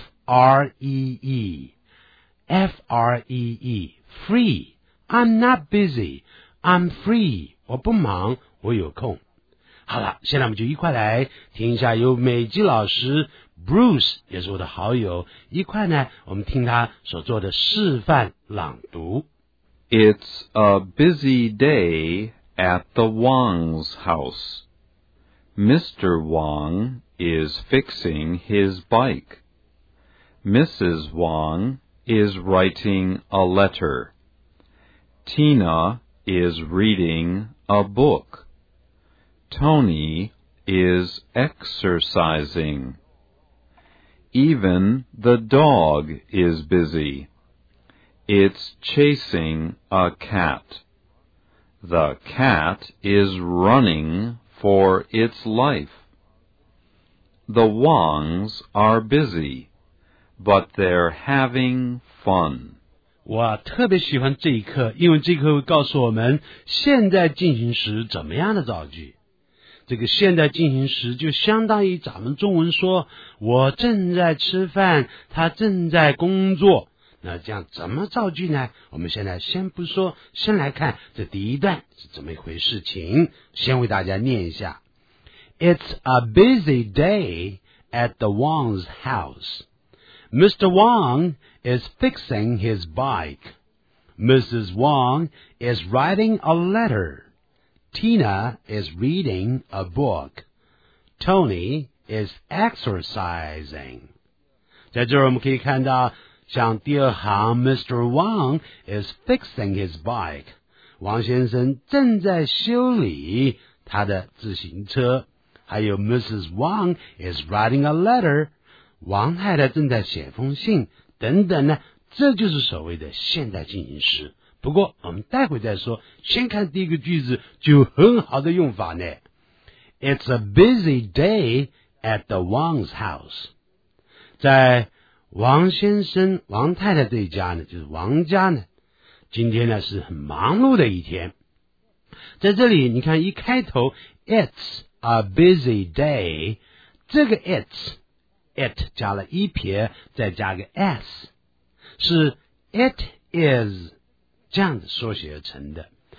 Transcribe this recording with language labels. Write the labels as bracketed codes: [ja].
[en] F-R-E-E. F-R-E-E. Free. I'm not busy. I'm free. [zh] 我不忙。我有空。好了，现在我们就一块来听一下由美籍老师 Bruce， 也是我的好友，一块呢我们听他所做的示范朗读。 [en] It's a busy day at the Wang's house. Mr. Wang is fixing his bike. Mrs. Wang is writing a letter. Tina is reading a book. Tony is exercising. Even the dog is busy. It's chasing a cat. The cat is running for its life. The Wangs are busy, but they're having fun. [zh] 我特别喜欢这一课，因为这一课会告诉我们现在进行时怎么样的造句。这个现在进行时就相当于咱们中文说我正在吃饭，他正在工作。那这样怎么造句呢？我们现在先不说，先来看这第一段是怎么一回事情，先为大家念一下。 [en] It's a busy day at the Wang's house. Mr. Wang is fixing his bike. Mrs. Wang is writing a letterTina is reading a book. Tony is exercising. [zh] 在这儿我们可以看到，像第二行 Mr. [en] Wang is fixing his bike. [zh] 王先生正在修理他的自行车。还有 Mrs. [en] Wang is writing a letter. [zh] 王太太正在写封信等等呢，这就是所谓的现代进行时。不过我们待会再说，先看第一个句子就很好的用法呢。 [en] It's a busy day at the Wang's house. [zh] 在王先生王太太这一家呢，就是王家呢，今天呢是很忙碌的一天。在这里你看一开头 [en] It's a busy day， [zh] 这个 It 加了一撇再加个 S， 是 It is这样子缩写而成的。